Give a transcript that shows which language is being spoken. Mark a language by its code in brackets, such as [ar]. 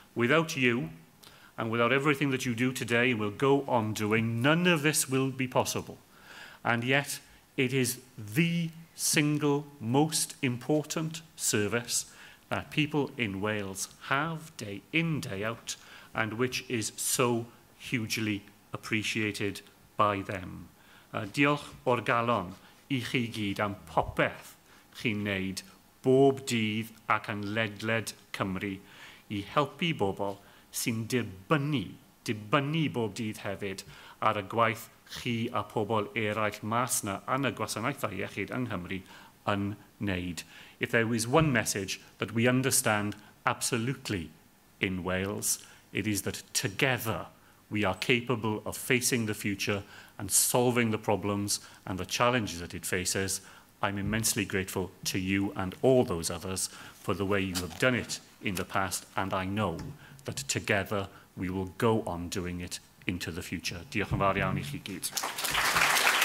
[en] Without you and without everything that you do today and will go on doing, none of this will be possible. And yet it is the single most important service that people in Wales have day in, day out, and which is so hugely appreciated by them. [cy] Diolch o'r galon I chi gyd am popeth chi'n neud bob dydd ac yn ledled Cymru I helpu bobl sy'n dibynnu bob dydd hefyd ar y gwaith chi a pobl eraill mas na yn y gwasanaethau iechyd yng Nghymru yn neud. [en] If there is one message that we understand absolutely in Wales, it is that together we are capable of facing the future and solving the problems and the challenges that it faces. I'm immensely grateful to you and all those others for the way you have done it in the past, and I know that together we will go on doing it into the future. [cy] Diolch yn fawr iawn I chi gyd.